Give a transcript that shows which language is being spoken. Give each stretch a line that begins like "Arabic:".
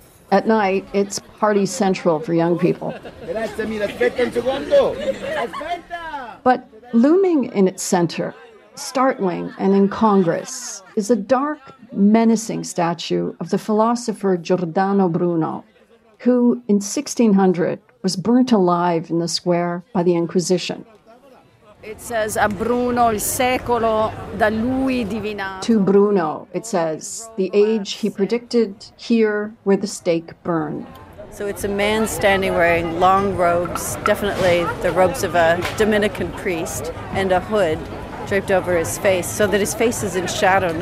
English: At night, it's party central for young people. But looming in its center, startling and incongruous, is a dark, menacing statue of the philosopher Giordano Bruno, who in 1600 was burnt alive in the square by the Inquisition.
Italian: It says, a Bruno il secolo da lui divinato.
English: To Bruno, it says, the age he predicted here where the stake burned. So it's a man standing wearing long robes, definitely the robes of a Dominican priest, and a hood draped over his face so that his face is in shadow.